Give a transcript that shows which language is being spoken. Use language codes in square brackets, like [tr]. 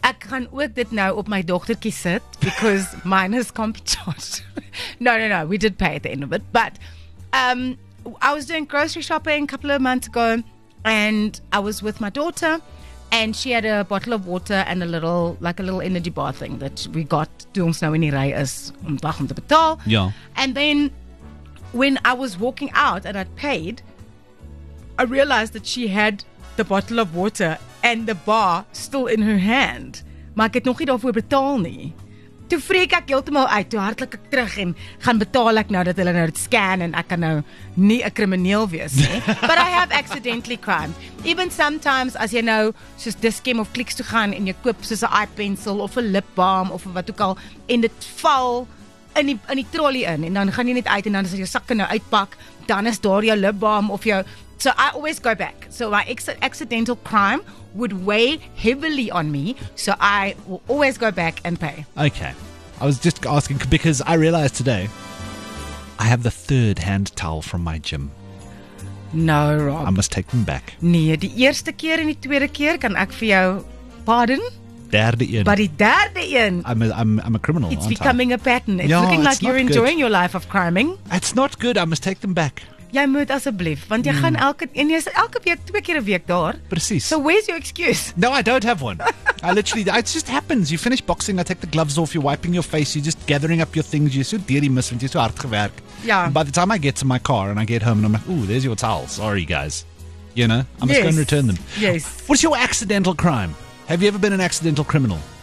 [af] Ek gaan ook dit nou op my dogtertjie sit [en] because mine is competent. No, we did pay at the end of it, but I was doing grocery shopping a couple of months ago and I was with my daughter and she had a bottle of water and a little, like a little energy bar thing that we got to [af] ons nou in die ry is om wag om te betaal. Ja. [en] And then when I was walking out and I'd paid, I realized that she had the bottle of water and the bar still in her hand. [af] Maar ek het nog nie daarvoor betaal nie. Toe freak ek heeltemal uit, toe hartlik ek terug en gaan betaal ek nou dat hulle nou dit scan en ek kan nou nie 'n krimineel wees nie. [en] But I have accidentally crimed. Even sometimes as you know, [af] soos Dis-Chem of Clicks toe gaan en jy koop soos 'n eye pencil of 'n lip balm of wat ook al en dit val in die trolley in en dan gaan jy net uit en dan as jy sakke nou uitpak, dan is daar jou lip balm of jou. [en] So I always go back. So my accidental crime would weigh heavily on me. So I will always go back and pay. Okay. I was just asking because I realized today I have the third hand towel from my gym. No, Rob. I must take them back. [af] Nee, die eerste keer en die tweede keer kan ek vir jou pardon. Derde een. But die derde een. [en] I'm a criminal. It's becoming a pattern. It's looking like you're enjoying your life of criming. It's not good. I must take them back. [af] Jy moet asseblief, want jy gaan elke week twee keer 'n week daar. Precies. [en] So where's your excuse? No, I don't have one. It just happens. You finish boxing, I take the gloves off, you're wiping your face, you're just gathering up your things, you're so dearly missing, you're so hard gewerk. Yeah. By the time I get to my car and I get home and I'm like, ooh, there's your towel. Sorry, guys. You know, I'm just going to return them. Yes. What's your accidental crime? Have you ever been an accidental criminal?